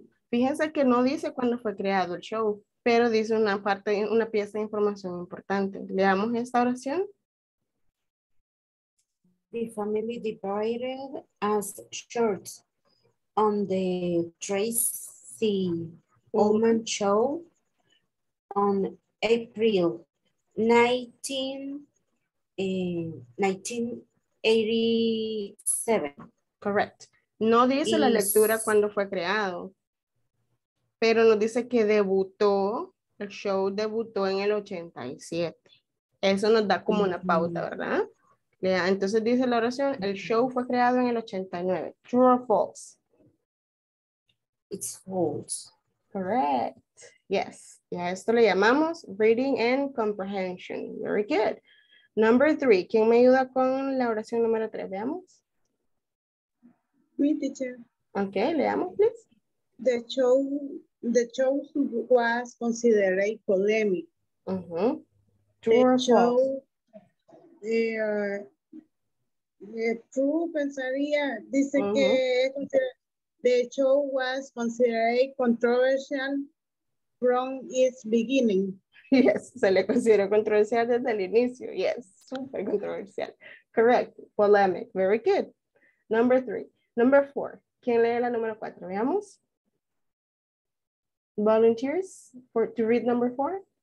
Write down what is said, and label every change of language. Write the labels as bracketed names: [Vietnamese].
[Spanish] Fíjense que no dice cuándo fue creado el show, pero dice una parte, una pieza de información importante. Leamos esta oración. [English] The family divided as shorts on the Tracy Ullman show on April 1987. Correct. [Spanish] No dice la lectura cuando fue creado, pero nos dice que el show debutó en el 87. Eso nos da como una pauta, ¿verdad? Entonces dice la oración, el show fue creado en el 89. [English] True or false? It's false. Correct. Yes. [Spanish] Y a esto le llamamos [English] reading and comprehension. Very good. Number three. [Spanish] ¿Quién me ayuda con la oración número tres? Veamos. [English] Me, teacher. Okay, [Spanish] leamos, [English] please. The show was considered polemic. Uh-huh. True or show, false? True, [Spanish] pensaría. Dice uh-huh. que [English] the show was considered controversial from its beginning. [Spanish] Yes, se le consideró controversial desde el inicio. [English] Yes, super controversial. Correct. Polemic. Very good. Number three. Number four. [Spanish] ¿Quién lee la número cuatro? Veamos. [English] Volunteers to read number four.